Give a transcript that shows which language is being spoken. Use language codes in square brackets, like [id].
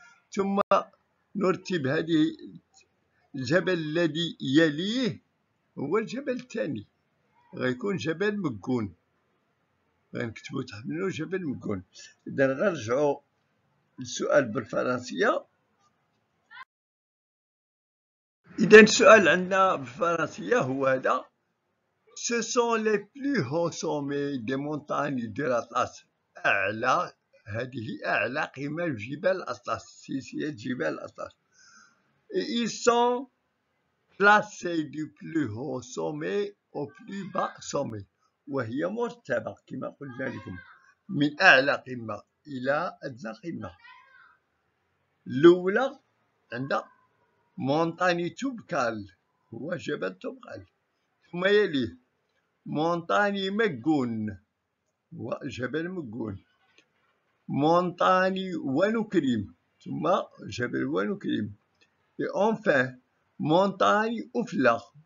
[ar] ثم نرتب هذه الجبل الذي يليه هو الجبل الثاني، غيكون جبل مكون، غنكتبو تحت منه جبل مكون. إذن غنرجعو السؤال بالفرنسية. إذن السؤال عندنا بالفرنسية هو هذا: [fr] Ce sont les plus hauts sommets des montagnes de l'Atlas. [ar] أعلى، هذه أعلى قمة جبال الأطلس، سلسلة جبال الأطلس. [fr] Ils sont placés du plus haut sommet au plus bas sommet. [ar] وهي مرتبة كما قلنا لكم من أعلى قمة إلى أدنى قمة. الأولى عند مونتاني توبقال، هو جبل توبقال، ثم يليه مونتاني مكون، هو جبل مكون، مونتاني ونكريم، ثم جبل ونكريم، وأنفين مونتاني أفلا.